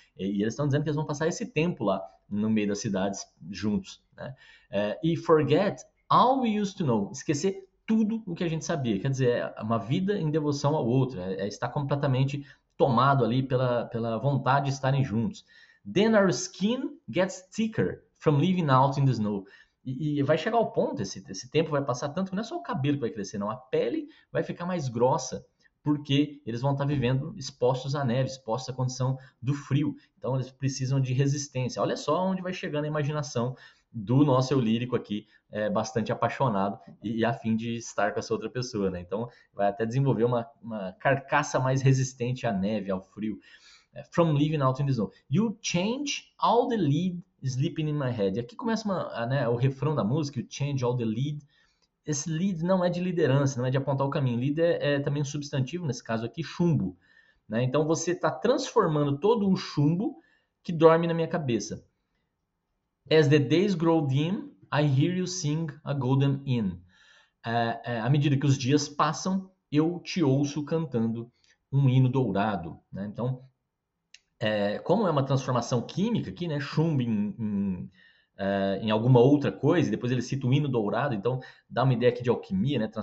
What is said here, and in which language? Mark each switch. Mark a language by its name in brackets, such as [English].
[Portuguese] E eles estão dizendo que eles vão passar esse tempo lá no meio das cidades juntos, né? E forget. [English] All we used to know, [Portuguese] esquecer tudo o que a gente sabia. Quer dizer, é uma vida em devoção ao outro, é estar completamente tomado ali pela vontade de estarem juntos. [English] Then our skin gets thicker from living out in the snow. [Portuguese] E vai chegar ao ponto, esse tempo vai passar tanto que não é só o cabelo que vai crescer, não. A pele vai ficar mais grossa, porque eles vão estar vivendo expostos à neve, expostos à condição do frio. Então eles precisam de resistência. Olha só onde vai chegando a imaginação do nosso eu lírico aqui, bastante apaixonado e a fim de estar com essa outra pessoa, né? Então, vai até desenvolver uma carcaça mais resistente à neve, ao frio. [English] From living out in the snow. You change all the lead sleeping in my head. [Portuguese] E aqui começa né, o refrão da música, [English] you change all the lead. [Portuguese] Esse lead não é de liderança, não é de apontar o caminho. Lead é também um substantivo, nesse caso aqui, chumbo, né? Então, você está transformando todo o chumbo que dorme na minha cabeça. [English] As the days grow dim, I hear you sing a golden hymn. [Portuguese] À medida que os dias passam, eu te ouço cantando um hino dourado. Né? Então, como é uma transformação química aqui, né? Chumbo em alguma outra coisa, e depois ele cita o hino dourado, então dá uma ideia aqui de alquimia, né?